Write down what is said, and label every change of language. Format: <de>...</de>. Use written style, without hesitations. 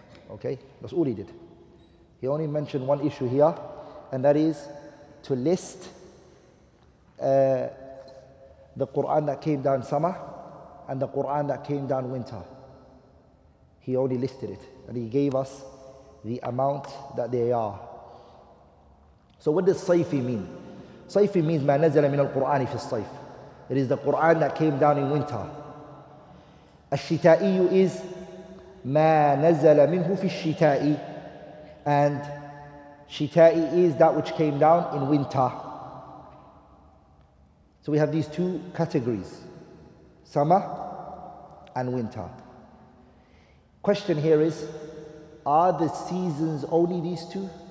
<en>Okay, that's all he did. He only mentioned one issue here, and that is to list the Quran that came down summer and the Quran that came down winter. He only listed it, and he gave us the amount that they are. So what does Sayfi mean? Sayfi means</en> <ar>ما نزل من القرآن في الصيف.</ar> <en>It is the Quran that came down in winter.</en> <ar>الشتائي is ما نزل منه في الشتاء.</ar> <en>And شتائي is that which came down in winter. So we have these two categories, summer and winter. Question here is, are the seasons only these two?</en>